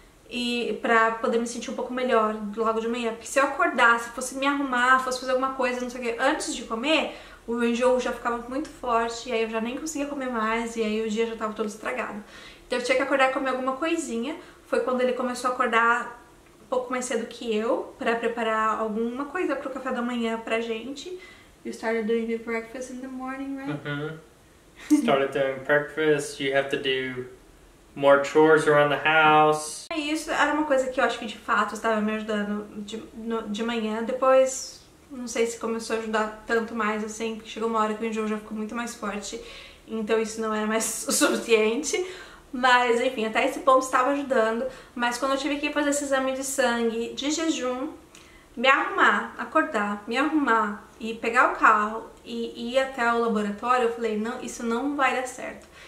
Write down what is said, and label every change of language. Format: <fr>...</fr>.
<pt>E pra poder me sentir um pouco melhor logo de manhã. Porque se eu acordasse, fosse me arrumar, fosse fazer alguma coisa, não sei o quê, antes de comer, o enjoo já ficava muito forte, e aí eu já nem conseguia comer mais, e aí o dia já tava todo estragado. Então eu tinha que acordar e comer alguma coisinha. Foi quando ele começou a acordar um pouco mais cedo que eu, pra preparar alguma coisa pro café da manhã pra gente.</pt> <en>You started doing the breakfast in the morning, right? Uh-huh. Started doing breakfast, you have to do more chores around the house.</en> <pt>Isso era uma coisa que eu acho que de fato estava me ajudando de manhã. Depois, não sei se começou a ajudar tanto mais assim, porque chegou uma hora que o enjoo já ficou muito mais forte, então isso não era mais o suficiente. Mas enfim, até esse ponto estava ajudando. Mas quando eu tive que fazer esse exame de sangue de jejum, me arrumar, acordar, me arrumar e pegar o carro e ir até o laboratório, eu falei, não, isso não vai dar certo.</pt>